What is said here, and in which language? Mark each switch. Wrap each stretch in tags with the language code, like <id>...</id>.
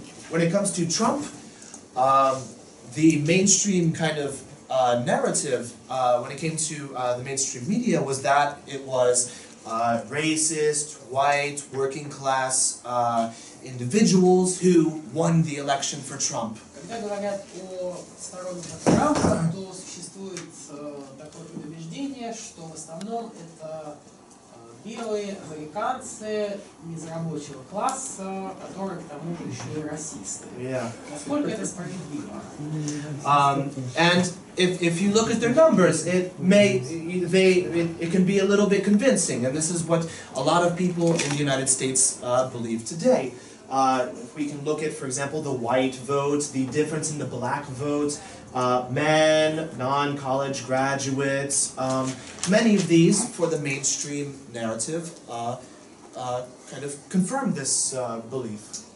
<en>When it comes to Trump, the mainstream kind of narrative, when it came to the mainstream media, was that it was racist, white, working class individuals who won the election for Trump.</en> <ru>Когда говорят о сторонниках Трампа, то существует такое предубеждение, что в основном это белые американцы из рабочего класса, которые к тому же еще и расисты.</ru> <en>Yeah.</en> <ru>Насколько это справедливо?</ru> <en>And if you look at their numbers, it can be a little bit convincing, and this is what a lot of people in the United States believe today. If we can look at, for example, the white vote, the difference in the black vote, men, non-college graduates, many of these for the mainstream narrative kind of confirm this belief.</en>